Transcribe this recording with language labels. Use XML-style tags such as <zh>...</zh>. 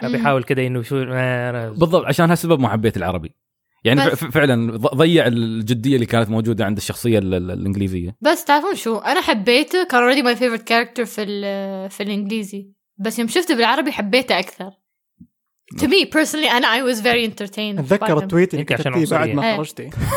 <ar>كان بيحاول كده إنه شو بالضبط. عشان هالسبب ما حبيت العربي. يعني فعلا ضيع الجديه اللي كانت موجوده عند الشخصيه الانجليزيه. بس تعرفون شو، انا حبيته، كان</ar> <en>already my favourite character</en> <ar>في الانجليزي، بس يوم شفته بالعربي حبيته اكثر.</ar> <en>To me personally, and I was very entertained.</en> <ar>أتذكر التويت اللي كتبتيه بعد ما خرجتي.</ar>